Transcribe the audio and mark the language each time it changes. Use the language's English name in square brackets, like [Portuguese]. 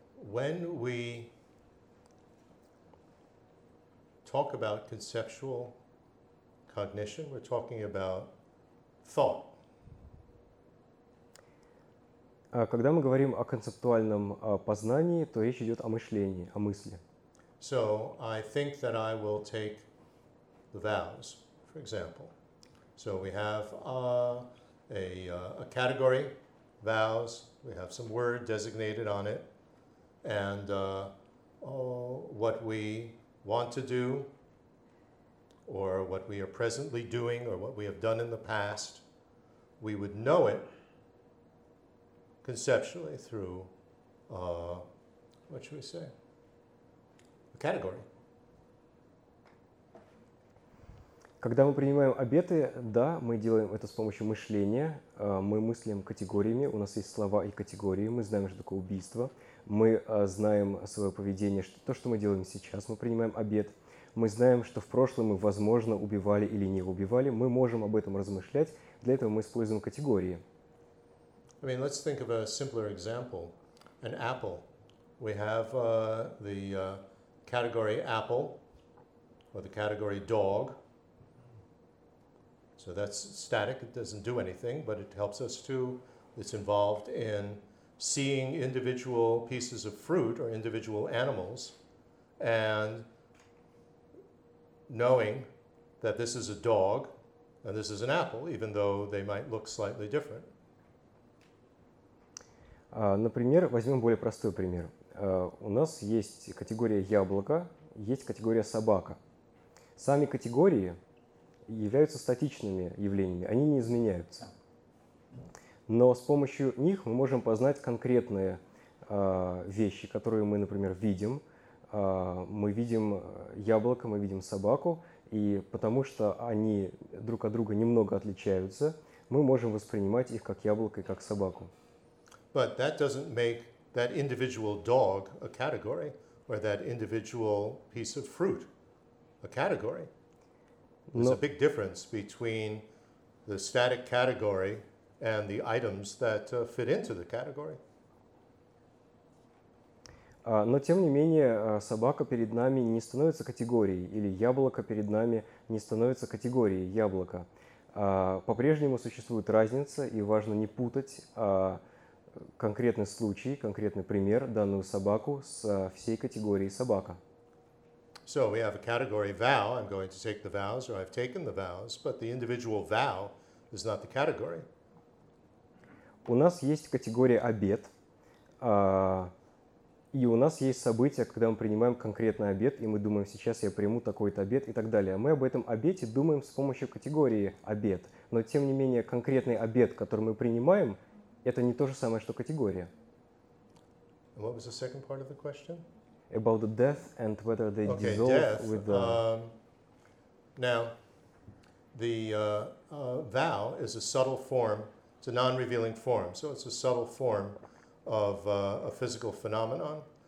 [English] When we talk about conceptual cognition, we're talking about thought. [Russian] Когда мы говорим о концептуальном познании, то речь идет о мышлении, о мысли. [English] So I think that I will take the vows, for example. So we have a category, vows. We have some word designated on it, and what we want to do, or what we are presently doing, or what we have done in the past, we would know it conceptually through, what should we say, a category. [Russian] Когда мы принимаем обеты, да, мы делаем это с помощью мышления, мы мыслим категориями, у нас есть слова и категории, мы знаем, что такое убийство, мы знаем свое поведение, что то, что мы делаем сейчас, мы принимаем обет, мы знаем, что в прошлом мы, возможно, убивали или не убивали, мы можем об этом размышлять, для этого мы используем категории. [English] I mean, let's think of a simpler example, an apple. We have the category apple or the category dog. So that's static, it doesn't do anything, but it helps us to, it's involved in seeing individual pieces of fruit or individual animals and knowing that this is a dog and this is an apple, even though they might look slightly different. [Russian] Например, возьмем более простой пример. У нас есть категория яблоко, есть категория собака. Сами категории являются статичными явлениями, они не изменяются. Но с помощью них мы можем познать конкретные вещи, которые мы, например, видим. Мы видим яблоко, мы видим собаку, и потому что они друг от друга немного отличаются, мы можем воспринимать их как яблоко и как собаку. [English] But that doesn't make that individual dog a category or that individual piece of fruit a category. There's a big difference between the static category and the items that fit into the category. [Russian] Но тем не менее, собака перед нами не становится категорией, или яблоко перед нами не становится категорией яблока. По-прежнему существует разница, и важно не путать конкретный случай, конкретный пример, данную собаку с всей категорией собака. [English] So we have a category vow, I'm going to take the vows, or I've taken the vows, but the individual vow is not the category. [Russian] У нас есть категория обет, и у нас есть события, когда мы принимаем конкретный обет, и мы думаем, сейчас я приму такой-то обет и так далее. Мы об этом обете думаем с помощью категории обет, но тем не менее конкретный обет, который мы принимаем, это не то же самое, что категория. [English] What was the second part of the question? About the death and whether they dissolve with the... Now, the vow is a subtle form, it's a non-revealing form. So it's a subtle form of a physical phenomenon.